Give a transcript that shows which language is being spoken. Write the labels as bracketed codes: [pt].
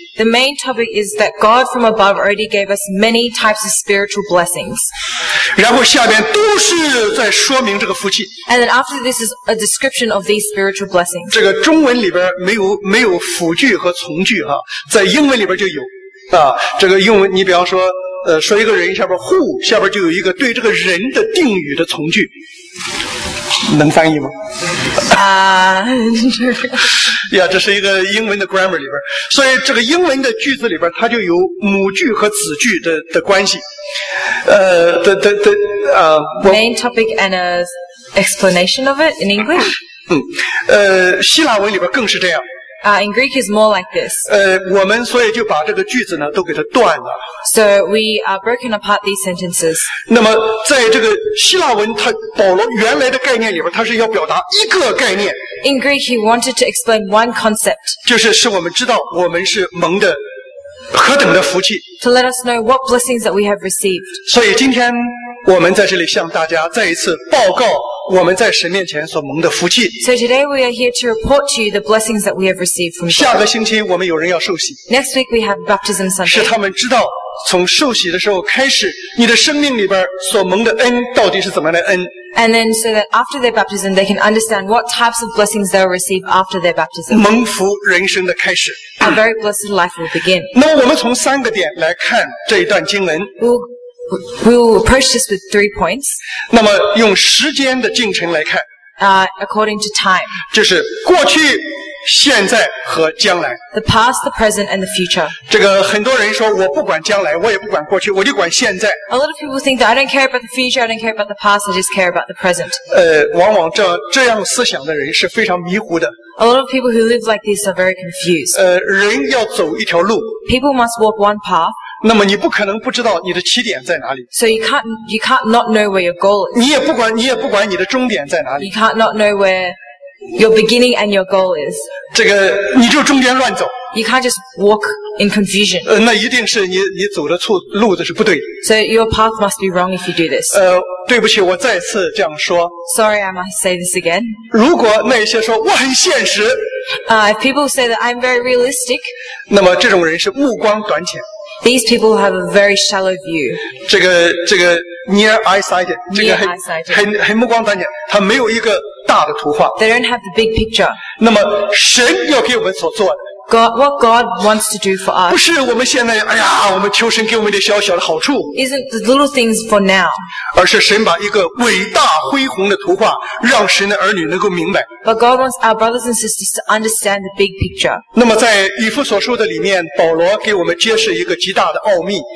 [en] The main topic is that God from above already gave us many types of spiritual blessings. [zh] 然后下边都是在说明这个福气。 [en] And then after this is a description of these spiritual blessings. [zh] 这个中文里边没有辅句和从句哈，在英文里边就有啊。这个英文你比方说，说一个人下边 who 下边就有一个对这个人的定语的从句，能翻译吗？ Yeah, 这是一个英文的 grammar 里边，所以这个英文的句子里边它就有母句和子句 的关系。 [en] Main topic and an explanation of it in English? [zh] 希腊文里边更是这样。 [en] In Greek is more like this. [zh] 我们所以就把这个句子呢都给它断了。 [en] So we are broken apart these sentences. [zh] 那么在这个希腊文它保罗原来的概念里边它是要表达一个概念。 [en] In Greek, he wanted to explain one concept. [zh] 就是使我们知道我们是蒙的何等的福气。 [en] To let us know what blessings that we have received. [zh] 所以今天我们在这里向大家再一次报告我们在神面前所蒙的福气。 [en] So today we are here to report to you the blessings that we have received from God. [zh] 下个星期我们有人要受洗。 [en] Next week we have baptism Sunday. [zh] 使他们知道从受洗的时候开始你的生命里边所蒙的恩到底是怎么样的恩。 [en] And then so that after their baptism, they can understand what types of blessings they'll receive after their baptism. [zh] 蒙福人生的开始。 [en] A very blessed life will begin. [zh] 那我们从三个点来看这一段经文。 [en] We'll approach this with three points. [zh] 那么用时间的进程来看。 [en] According to time. [zh] 这是过去现在和将来。 [en] The past, the present, and the future. [zh] 这个很多人说我不管将来我也不管过去我就管现在。 [en] A lot of people think that I don't care about the future, I don't care about the past, I just care about the present. [zh] 往往这样思想的人是非常迷糊的。 [en] A lot of people who live like this are very confused. [zh] 人要走一条路。 [en] People must walk one path. [zh] 那么你不可能不知道你的起点在哪里。 [en] So you can't not know where your goal is. [zh] 你也不管你的终点在哪里。 [en] You can't not know where your beginning and your goal is. [zh] 这个你就中间乱走。 [en] You can't just walk in confusion. [zh] 那一定是你走的错路子是不对的。 [en] So your path must be wrong if you do this. [zh] 对不起，我再次这样说。 [en] Sorry, I must say this again. [zh] 如果那些说我很现实。 [en] If people say that I'm very realistic. [zh] 那么这种人是目光短浅。 [en] These people have a very shallow view. 这个 near eyesighted. Near eyesighted. [zh] 很目光短浅，他没有一个大的图画。 [en] They don't have the big picture. [zh] 那么神要给我们所做的。 [en] God, what God wants to do for us. [zh] 不是我们现在，哎呀，我们求神给我们点小小的好处。 [en] Isn't the little things for now. [zh] 而是神把一个伟大恢宏的图画，让神的儿女能够明白。 [en] But God wants our brothers and sisters to understand the big picture. [zh] 那么在以弗所书的里面，保罗给我们揭示一个极大的奥秘。